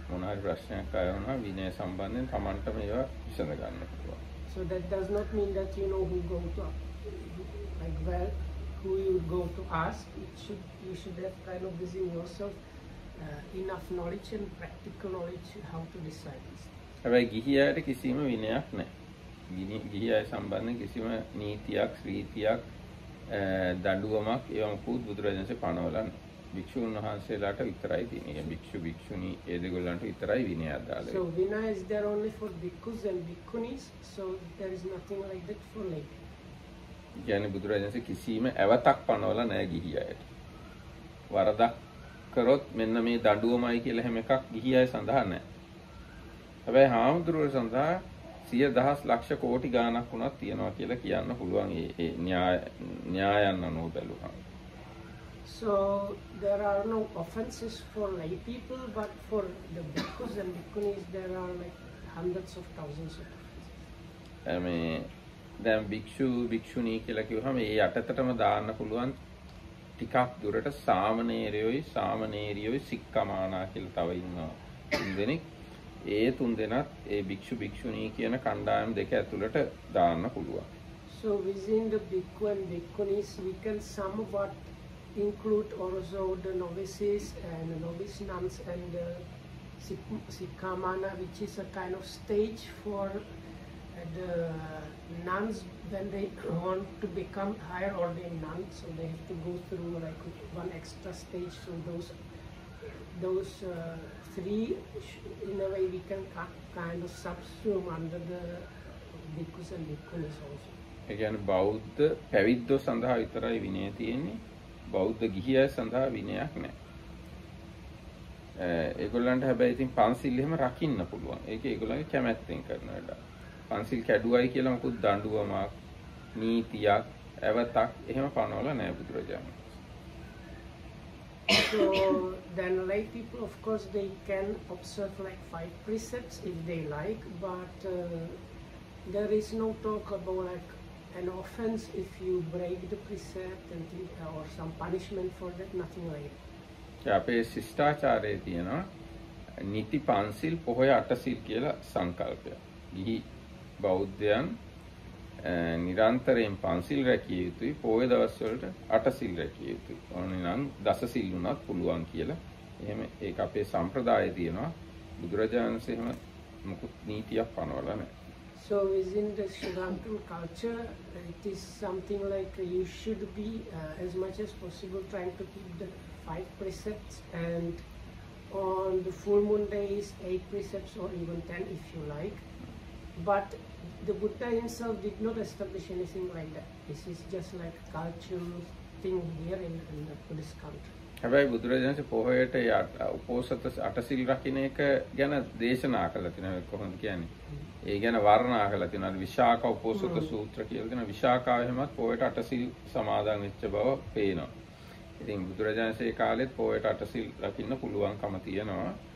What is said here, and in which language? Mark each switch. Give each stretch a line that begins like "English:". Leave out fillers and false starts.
Sinhala: මොන හරි ප්‍රශ්නයක් ආවොත් විනය සම්බන්ධයෙන් Tamanta මේව විසඳ ගන්න පුළුවන්.
English: So that does not mean that you know who go to like well, who you go to ask. You should have kind of within yourself enough knowledge and practical knowledge how to decide this.
Sinhala: හැබැයි ගිහියට කිසිම විනයක් නැහැ. ගිහියයි සම්බන්ධ කිසිම නීතියක්, රීතියක්, දඬුවමක් ඒවා මොකුත් බුදුරජාණන්සේ පනවලා නැහැ. භික්ෂුන් වහන්සේලාට විතරයි තියෙන්නේ. භික්ෂු භික්ෂුණී ඒ දෙගොල්ලන්ට විතරයි විනය අදාළ වෙන්නේ.
English: So vinaya is there only for bhikkhus and bhikkhunis. So there is nothing like that for lay.
Sinhala: යන්නේ බුදුරජාණන්සේ කිසිම ඇවතක් පනවලා නැහැ ගිහියට. වරදක් කරොත් මෙන්න මේ දඬුවමයි කියලා හැම එකක් ගිහියයි සඳහා නැහැ. හැබැයි හාමුදුරුවෝ සඳහා 10,000 ලක්ෂ කෝටි ගාණක් වුණත් තියනවා කියලා කියන්න පුළුවන් ඒ න්‍යායන් අනුව බැලුවහම.
English: So there are no offenses for lay people, but for the bhikkhus and bhikkhunis there are like hundreds of thousands of offenses. I mean,
Sinhala: දැන් භික්ෂු භික්ෂුණී කියලා කිව්වහම ඒ යටතටම දාන්න පුළුවන් ටිකක් දුරට සාමණේරයෝයි සාමණේරියෝයි සික්කමානා කියලා තව ඉන්නවා. දෙනෙක් ඒ තුන් දෙනත් ඒ භික්ෂු භික්ෂුණී කියන කණ්ඩායම් දෙක ඇතුළට දාන්න පුළුවන්.
English: So within the bhikkhu and bhikkhunis we can somewhat include also the novices and novice nuns and the sikkhamana, which is a kind of stage for the nuns when they want to become higher ordained nuns, so they have to go through like one extra stage. So those three in a way we can kind of subsume under the bhikkhus and bhikkhunis also.
Sinhala: එකයන් බෞද්ධ පැවිද්ද සඳහා විතරයි විනය තියෙන්නේ, බෞද්ධ ගිහිය සඳහා විනයක් නැහැ. ඒගොල්ලන්ට හැබැයි ඉතින් පන්සිල් එහෙම රකින්න පුළුවන්. ඒක ඒගොල්ලන්ගේ කැමැත්තෙන් කරන වැඩ. පන්සිල් කැඩුවයි කියලා මොකුත් දඬුවමක් නීතියක් ඇවතක් එහෙම පනවල නැහැ බුදුරජාණන්.
English: So then lay people of course they can observe like five precepts if they like, but there is no talk about like an offense if you break the precept and or some punishment for that, nothing like that.
Sinhala: Yeah, අපේ ශිෂ්ටාචාරයේ තියෙනවා නිති පන්සිල් පොහොය අටසිල් කියලා සංකල්පය. ගිහි බෞද්ධයන් නිරන්තරයෙන් පන්සිල් රැකිය යුතුයි, පොහොය දවස්වලට අටසිල් රැකිය යුතුයි. ඕනනම් දසසිල් වුණත් පුළුවන් කියලා. එහෙම ඒක අපේ සම්ප්‍රදායේ තියෙනවා. බුදුරජාණන් වහන්සේ එහෙම මුකුත් නීතියක් පනවලා නැහැ.
English: So within the Sri Lankan culture, it is something like you should be as much as possible trying to keep the five precepts, and on the full moon days, eight precepts or even 10 if you like. But the Buddha himself did not establish anything like that. This is just like a cultural thing here in the Buddhist culture.
Sinhala: හැබැයි බුදුරජාණන් වහන්සේ පොහොයට උපෝසත අටසිල් රකින්න එක ගැන දේශනා කළා කියලා කොහොමද කියන්නේ? ඒ ගැන වර්ණනා කළා කියලා විශාක උපෝසත සූත්‍ර කියලා දෙන විශාකාව එහෙමත් පොහොයට අටසිල් සමාදන් වෙච්ච බව පේනවා. ඉතින් බුදුරජාණන් වහන්සේ කාලෙත් පොහොයට අටසිල් රකින්න පුළුවන්කම තියෙනවා.